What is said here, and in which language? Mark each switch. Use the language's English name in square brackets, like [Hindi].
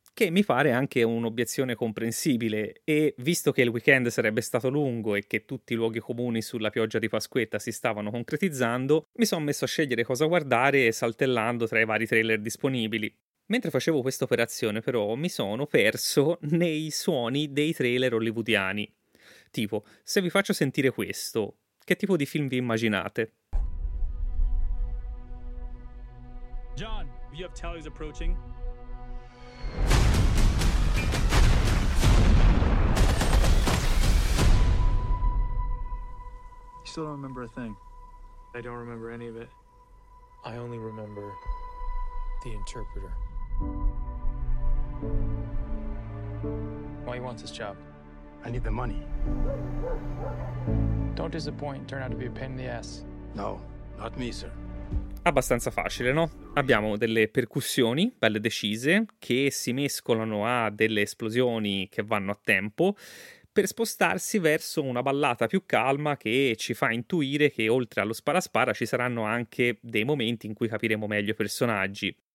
[Italian] Che mi pare anche un'obiezione comprensibile, e visto che il weekend sarebbe stato lungo e che tutti i luoghi comuni sulla pioggia di Pasquetta si stavano concretizzando, mi sono messo a scegliere cosa guardare saltellando tra i vari trailer disponibili. Mentre facevo questa operazione, però, mi sono perso nei suoni dei trailer hollywoodiani. Tipo, se vi faccio sentire questo, che tipo di film vi immaginate? [English] John, you have Tally's approaching. You still don't remember a thing. I don't remember any of it. I only remember the interpreter. Why he wants this job? I need the money. Don't disappoint, turn out to be a pain in the ass. No, not me, sir. [Italian] Abbastanza facile, no? Abbiamo delle percussioni belle decise che si mescolano a delle esplosioni che vanno a tempo per spostarsi verso una ballata più calma che ci fa intuire che oltre allo spara-spara ci saranno anche dei momenti in cui capiremo meglio i personaggi.